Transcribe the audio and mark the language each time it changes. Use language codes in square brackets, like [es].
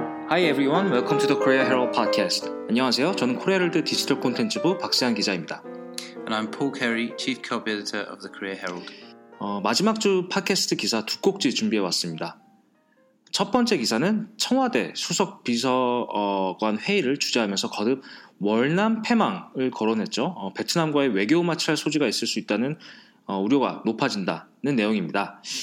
[en] Hi everyone, welcome to the Korea Herald podcast. [ko] 안녕하세요. 저는 코리아월드 디지털 콘텐츠부 박세한 기자입니다. [en] And I'm Paul Carey, chief co-editor of the Korea Herald. [ko] 마지막 주 팟캐스트 기사 두 꼭지 준비해 왔습니다. 첫 번째 기사는 청와대 수석 비서관 회의를 주재하면서 거듭 월남패망을 거론했죠. 베트남과의 외교 마찰 소지가 있을 수 있다는 우려가 높아진다는 내용입니다.